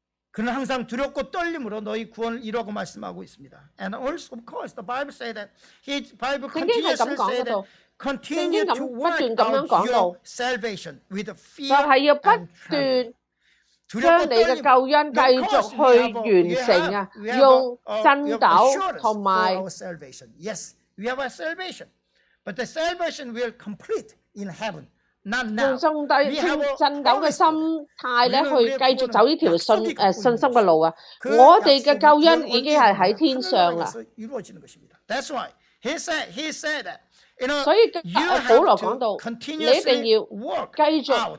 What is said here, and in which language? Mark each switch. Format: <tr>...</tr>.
<ko>그는 항상 두렵고 떨림으로 너희 구원을 이루고 말씀하고 있습니다.</ko> <en>And also, of course, the Bible said that he, Bible continues to say that continue to work out your salvation with fear and trembling.</en> <yue>將你嘅救恩繼續去完成啊！用震抖同埋</yue> <en>Yes, we have a salvation, but the salvation will complete in heaven, not now.</en> <yue>用震抖嘅心態咧，去繼續走呢條信心嘅路啊！我哋嘅救恩已經係喺天上啦。</yue> <en>That's why he said that. You know,</en> <yue>所以保罗讲到，你一定要继续。</yue>